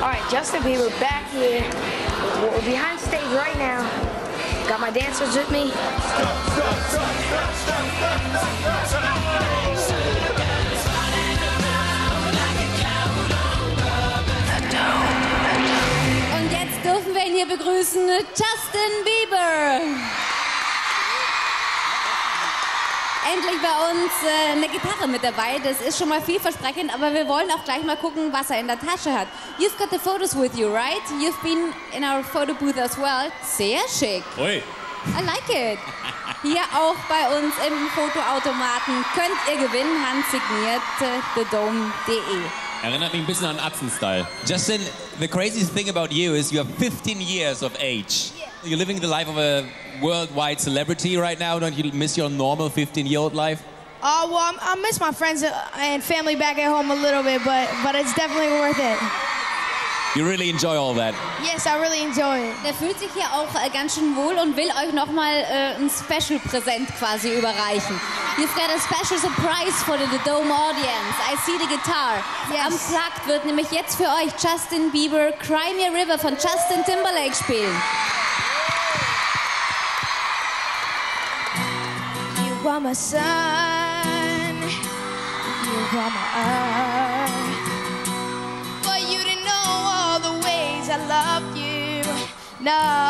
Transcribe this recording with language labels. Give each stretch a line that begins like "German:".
English: Justin Bieber back here. We're behind stage right now. Got my dancers with me.
German: Und jetzt dürfen wir ihn hier begrüßen, Justin Bieber. Endlich bei uns eine Gitarre mit dabei. Das ist schon mal vielversprechend, aber wir wollen auch gleich mal gucken, was er in der Tasche hat.
English: You've got the photos with you, right? You've been in our photo booth as well.
German: Sehr schick. Oi.
English: I like it.
German: Hier auch bei uns im Fotoautomaten könnt ihr gewinnen, handsigniert thedome.de. Erinnert mich ein bisschen an Atzen-Style.
English: Justin, the craziest thing about you is you are 15 years of age. You're living the life of a worldwide celebrity right now. Don't you miss your normal 15-year-old life? I miss my friends and family back at home a little bit, but it's definitely worth it. You really enjoy all that? Yes, I really enjoy it.
German: Der fühlt sich hier auch ganz schön wohl und will euch noch mal ein special Präsent quasi überreichen.
English: You've got a special surprise for the Dome audience. I see the guitar. Yes.
German: Unplugged wird nämlich jetzt für euch Justin Bieber Cry Me a River von Justin Timberlake spielen.
English: You are my sun, you are my earth. But you didn't know all the ways I loved you, no.